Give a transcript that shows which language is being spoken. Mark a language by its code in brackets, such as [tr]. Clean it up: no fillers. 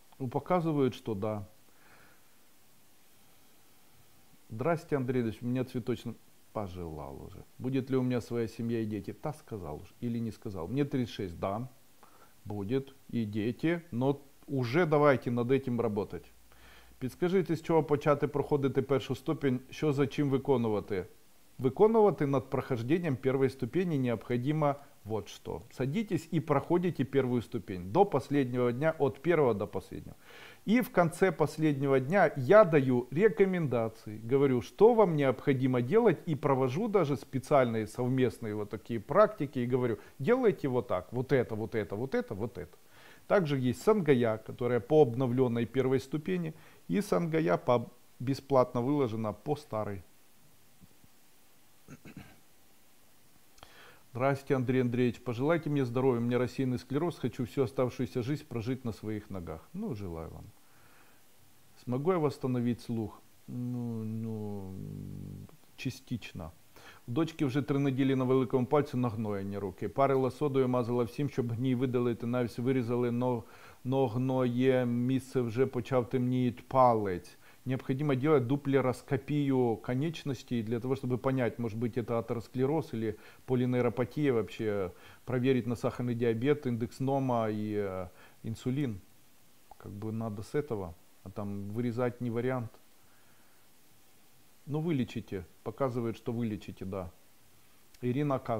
[ru] Показывают, что да. Здрасте, Андрей Ильич, меня цветочно пожелал уже. Будет ли у меня своя семья и дети? Да, сказал уже. Или не сказал. Мне 36, да, будет и дети, но уже давайте над этим работать. [uk] Підскажите, з чого почати проходити першу ступінь, що за чим виконувати? [ru] Виконувати над прохождением первой ступени необходимо вот что. Садитесь и проходите первую ступень до последнего дня, от первого до последнего. И в конце последнего дня я даю рекомендации, говорю, что вам необходимо делать, и провожу даже специальные совместные вот такие практики, и говорю, делайте вот так, вот это, вот это, вот это, вот это. Также есть Сангая, которая по обновленной первой ступени, и Сангая бесплатно выложена по старой. Здравствуйте, Андрей Андреевич, пожелайте мне здоровья, у меня рассеянный склероз, хочу всю оставшуюся жизнь прожить на своих ногах. Ну, желаю вам. Смогу я восстановить слух? Ну, частично. [uk] У дочки уже 3 недели на великому пальце нагноєння руки. Парила содою, мазала всім, щоб гній видалити, навіть вирізали, но гноє місце вже почав темніти палець. [ru] необходимо делать дуплероскопию конечностей для того, чтобы понять, может быть, это атеросклероз или полинейропатия, вообще проверить на сахарный диабет, индекс НОМА и инсулин. Как бы надо с этого, а там вырезать не вариант. Но вылечите, показывает, что вылечите, да. Ирина К.